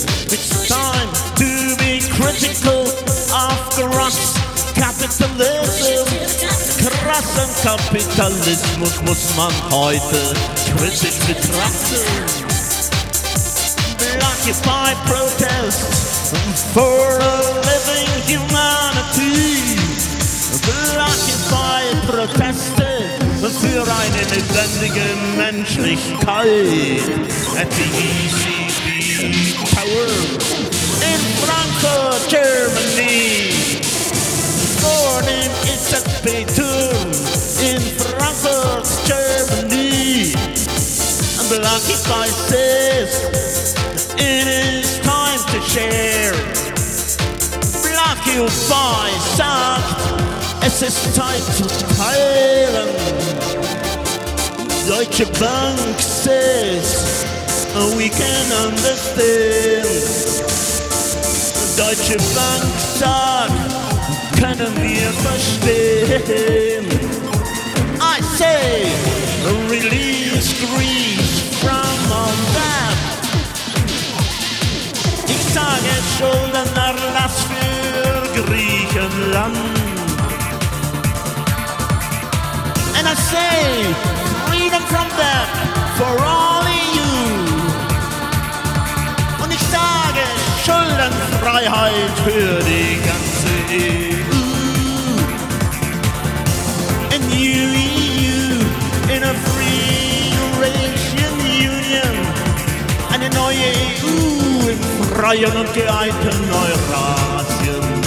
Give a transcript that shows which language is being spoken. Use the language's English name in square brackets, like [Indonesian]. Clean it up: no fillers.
[English] It's time to be critical of crass capitalism. [German] Krassen Kapitalismus muss man heute kritisch betrachten. [English] Black Occupy protest for a living humanity. [German] Black Occupy proteste für eine lebendige Menschlichkeit. [English] At the ECB Tower in Frankfurt, Germany. For the ECB Tour in Frankfurt, Germany. Black Occupy says it is time to share. [German] Black Occupy sagt, es ist Zeit zu teilen. [English] Deutsche Bank says, we can understand. [German] Deutsche Bank sagt, können wir verstehen. [English] I say, release Greece from our map. [German] Ich sage, Schuldenerlass für Griechenland. [English] And I say, freedom from debt for all of you. [German] Und ich sage, Schuldenfreiheit für die ganze EU. [English] A new EU in a free Eurasian Union. [German] Eine neue EU im freien und geeinten Eurasien.